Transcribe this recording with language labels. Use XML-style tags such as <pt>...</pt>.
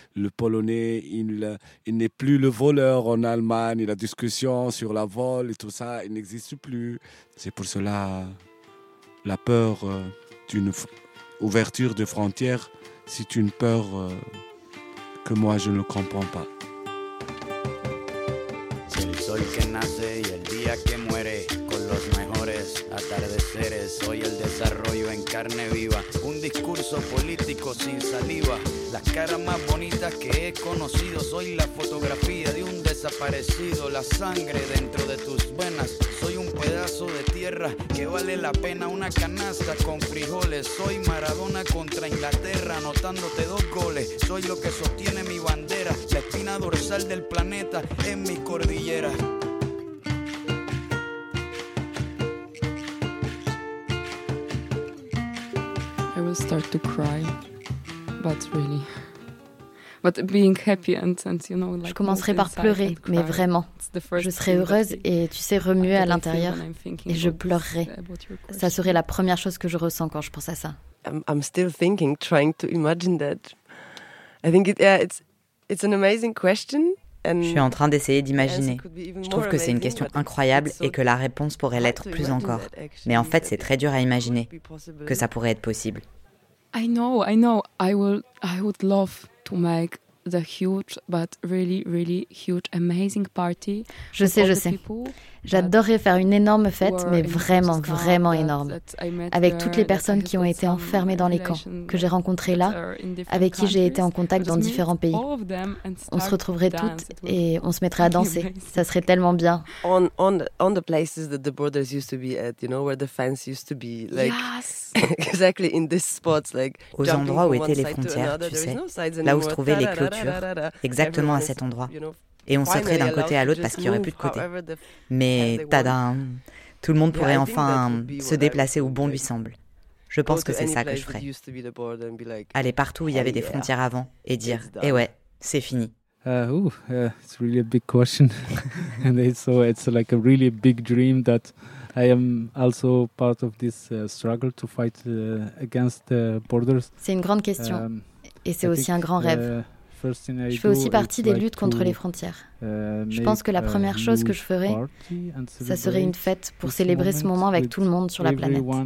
<fr>Le Polonais, il n'est plus le voleur en Allemagne. La discussion sur la vol et tout ça, il n'existe plus. C'est pour cela, la peur d'une ouverture de frontières, c'est une peur que moi, je ne comprends pas.</fr> <es>Soy que nace y el día que muere con los mejores atardeceres. Soy el desarrollo en carne viva, un discurso político sin saliva. Las caras más bonitas que he conocido, soy la fotografía de un desaparecido. La sangre dentro de tus venas, soy un pedazo de tierra que vale la pena una canasta con frijoles. Soy Maradona contra Inglaterra anotándote dos goles. Soy lo que sostiene mi bandera, la espina dorsal del planeta en mi cordillera.</es> <en>I will start to cry. But really, but being happy and you know, like,</en> <fr>je commencerai par pleurer, mais vraiment, je serai heureuse et tu sais, remuée à l'intérieur, et je pleurerai. Ça serait la première chose que je ressens quand je pense à ça.</fr> <en>I'm still thinking, trying to imagine that. I think it's an amazing question.</en> <fr>Je suis en train d'essayer d'imaginer. Je trouve que c'est une question incroyable et que la réponse pourrait l'être plus encore. Mais en fait, c'est très dur à imaginer que ça pourrait être possible.</fr> <en>I know. I would love to make the huge, but really, really huge, amazing party.</en> <fr>Je sais. J'adorerais faire une énorme fête, mais vraiment, vraiment énorme, avec toutes les personnes qui ont été enfermées dans les camps, que j'ai rencontrées là, avec qui j'ai été en contact dans différents pays. On se retrouverait toutes et on se mettrait à danser. Ça serait tellement bien.</fr> <en>On the places that the borders used to be at, you know, where the fans used to be, like exactly in these spots, like</en> <fr>aux endroits où étaient les frontières, tu sais, là où se trouvaient les clôtures, exactement à cet endroit. Et on sauterait d'un côté à l'autre parce qu'il n'y aurait plus de côté. Mais, tadam, tout le monde pourrait enfin se déplacer où bon lui semble. Je pense que c'est ça que je ferais. Aller partout où il y avait des frontières avant et dire, eh ouais, c'est fini.</fr> <en>It's really a big question. And it's like a really big dream that I am also part of this struggle to fight against the borders.</en> <fr>C'est une grande question. Et c'est aussi un grand rêve. Je fais aussi partie des luttes contre les frontières. Je pense que la première chose que je ferais, ça serait une fête pour célébrer ce moment avec tout le monde sur la planète.</fr>